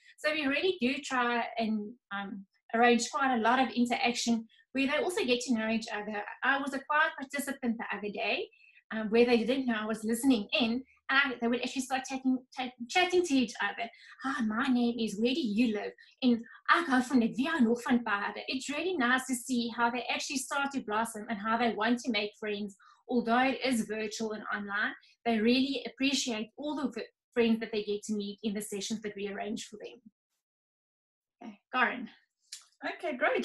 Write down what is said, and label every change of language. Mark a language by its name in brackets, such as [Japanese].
[English] So, we really do try and arrange quite a lot of interaction where they also get to know each other. I was a quiet participant the other day where they didn't know I was listening in. And they would actually start chatting to each other. Ah, my name is, where do you live? [Afrikaans] And ek hou van dit, wie hou nog van paarde? [English] It's really nice to see how they actually start to blossom and how they want to make friends. Although it is virtual and online, they really appreciate all the friends that they get to meet in the sessions that we arrange for them. Okay, Karen. Okay, great.